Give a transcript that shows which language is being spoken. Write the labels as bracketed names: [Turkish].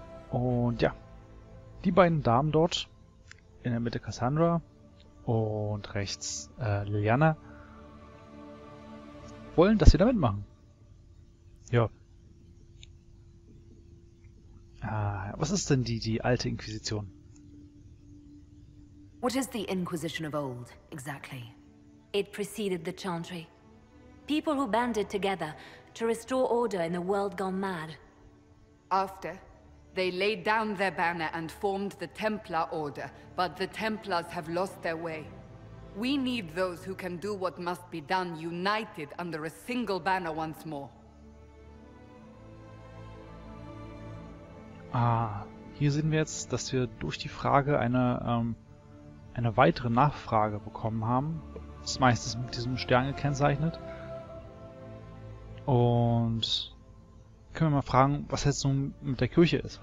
[German] Und ja, die beiden Damen dort, in der Mitte Cassandra und rechts Liliana, wollen, dass wir da mitmachen. Ja. Was ist denn die alte Inquisition? [English] What is the Inquisition of old, exactly? It preceded the Chantry. People who banded together to restore order in a world gone mad. After, they laid down their banner and formed the Templar Order, but the Templars have lost their way. We need those who can do what must be done, united under a single banner once more. [German] Hier sehen wir jetzt, dass wir durch die Frage eine weitere Nachfrage bekommen haben. Das meiste ist mit diesem Stern gekennzeichnet. Und können wir mal fragen, was jetzt nun mit der Kirche ist?